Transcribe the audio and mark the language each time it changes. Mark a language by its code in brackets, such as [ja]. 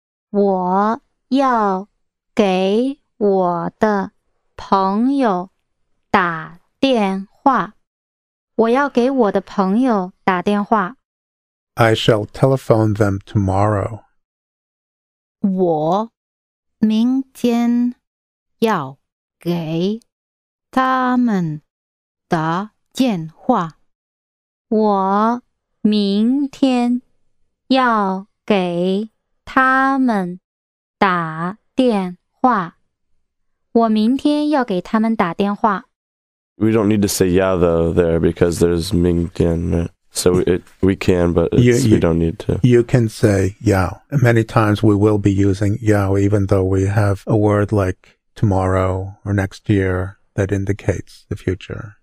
[zh] 我要给我的朋友打电话。我要给我的朋友打电话。 [en] I shall telephone them tomorrow. [zh] 我明天要给他们打电话。我明天要给他们打电话。我明天要给他们打电话。 [en] We don't need to say 要 though there because there's 明天, right? So we can, but we don't need to. You can say yao. Many times we will be using yao, even though we have a word like tomorrow or next year that indicates the future.